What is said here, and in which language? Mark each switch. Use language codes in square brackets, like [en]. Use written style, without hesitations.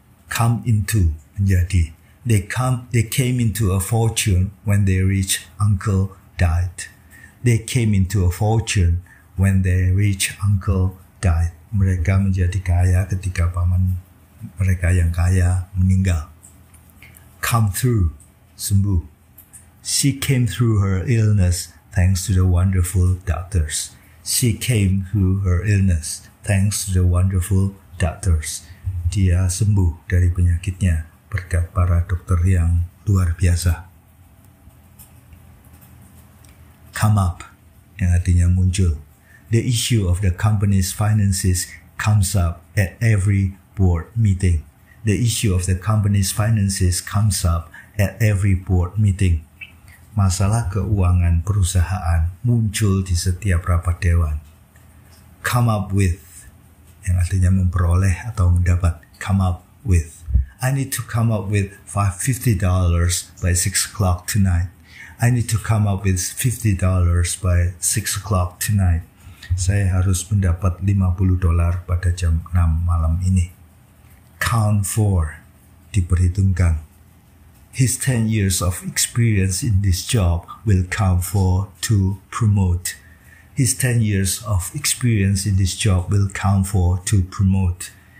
[en] Come into, menjadi. They came into a fortune when their rich uncle died. They came into a fortune when their rich uncle died. [id] Mereka menjadi kaya ketika paman mereka yang kaya meninggal. [en] Come through, sembuh. She came through her illness thanks to the wonderful doctors. She came through her illness thanks to the wonderful doctors. [id] Dia sembuh dari penyakitnya berkat para dokter yang luar biasa. Come up, yang artinya muncul. [en] The issue of the company's finances comes up at every board meeting. The issue of the company's finances comes up at every board meeting. [id] Masalah keuangan perusahaan muncul di setiap rapat dewan. Come up with, yang artinya memperoleh atau mendapat. [en] Come up with. I need to come up with $50 by 6 o'clock tonight. I need to come up with $50 by 6 o'clock tonight. [id] Saya harus mendapat $50 pada jam 6 malam ini. [en] Count for, diperhitungkan. His 10 years of experience in this job will count for to promote. His 10 years of experience in this job will count for to promote.